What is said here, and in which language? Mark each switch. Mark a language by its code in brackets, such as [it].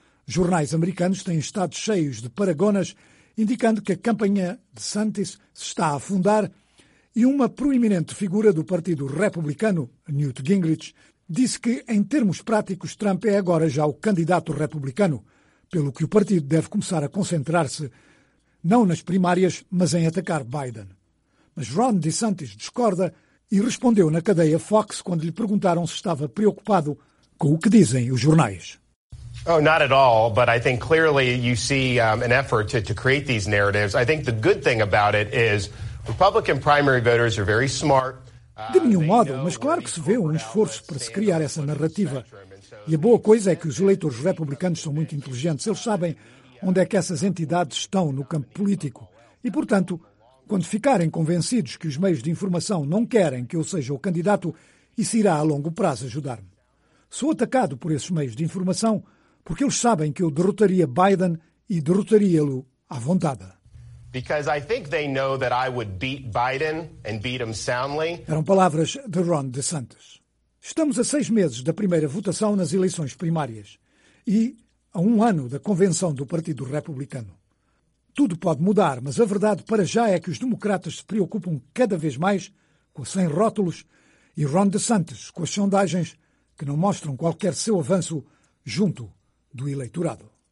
[pt] Jornais americanos têm estado cheios de paragonas, indicando que a campanha de DeSantis se está a afundar e uma proeminente figura do Partido Republicano, Newt Gingrich, disse que, em termos práticos, Trump é agora já o candidato republicano, pelo que o partido deve começar a concentrar-se, não nas primárias, mas em atacar Biden. Mas Ron DeSantis discorda e respondeu na cadeia Fox quando lhe perguntaram se estava preocupado com o que dizem os jornais. [en] Oh, not at all, but I think clearly you see an effort to create these narratives. I think the good thing about it is Republican primary voters are very smart. [pt] De nenhum modo, mas claro que se vê um esforço para se criar essa narrativa. E a boa coisa é que os eleitores republicanos são muito inteligentes. Eles sabem onde é que essas entidades estão no campo político. E, portanto, quando ficarem convencidos que os meios de informação não querem que eu seja o candidato, isso irá a longo prazo ajudar-me. Sou atacado por esses meios de informação porque eles sabem que eu derrotaria Biden e derrotaria-lo à vontade. [en] Because I think they know that I would beat Biden and beat him soundly. [pt] Eram palavras de Ron DeSantis. Estamos a 6 meses da primeira votação nas eleições primárias e a 1 ano da convenção do Partido Republicano. Tudo pode mudar, mas a verdade para já é que os democratas se preocupam cada vez mais com a Sem Rótulos e Ron DeSantis com as sondagens que não mostram qualquer seu avanço junto do eleitorado.